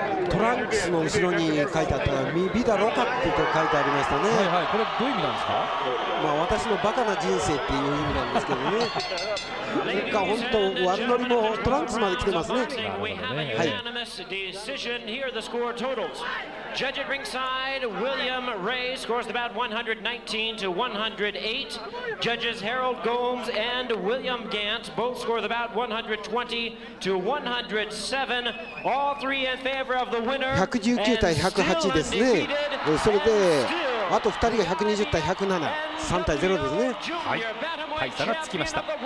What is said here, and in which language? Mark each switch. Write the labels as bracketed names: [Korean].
[Japanese] トランクスの後ろに書いてあったミビダロカって書いてありましたね。はいはい、これどういう意味なんですか。まあ、私のバカな人生っていう意味なんですけどね。結果本当悪乗りもトランクスまで来てますね。なるほどね。 [English] Decision here, the score totals. Judge at ringside, William Ray scores about 119 to 108. Judges Harold Gomes and William Gantt both score about 120 to 107. All three in favor of the winner. [Japanese] 119対108ですね。それであと2人が120対107、3対0ですね。はい、大差がつきました。